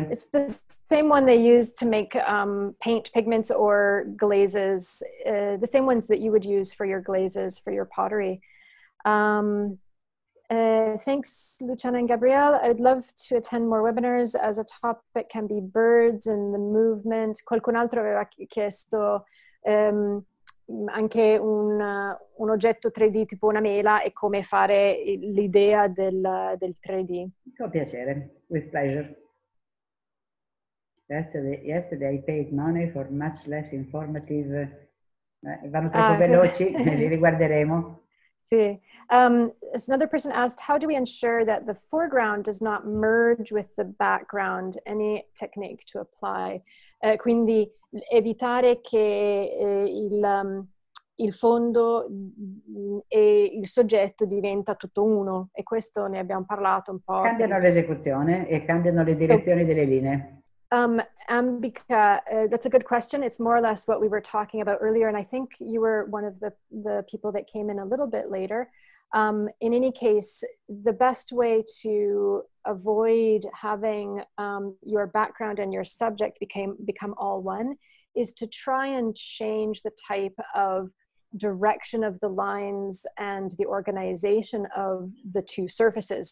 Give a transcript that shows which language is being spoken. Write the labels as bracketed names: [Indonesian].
[English] It's the same one they use to make paint pigments or glazes. The same ones that you would use for your glazes, for your pottery. Thanks, Luciana and Gabrielle. I'd love to attend more webinars as a topic can be birds and the movement. [Italian] Qualcun altro aveva chiesto anche un oggetto 3D tipo una mela e come fare l'idea del 3D. Con piacere, [English] with pleasure. Yesterday I paid money for much less informative, [Italian] vanno troppo veloci, li riguarderemo. Sì. [English] Another person asked, how do we ensure that the foreground does not merge with the background? Any technique to apply? [Italian] Quindi evitare che il fondo e il soggetto diventa tutto uno. E questo ne abbiamo parlato un po'. Cambiano l'esecuzione e cambiano le direzioni delle linee. [English] Ambika, that's a good question. It's more or less what we were talking about earlier, and I think you were one of the people that came in a little bit later. In any case, the best way to avoid having your background and your subject become all one is to try and change the type of direction of the lines and the organization of the two surfaces.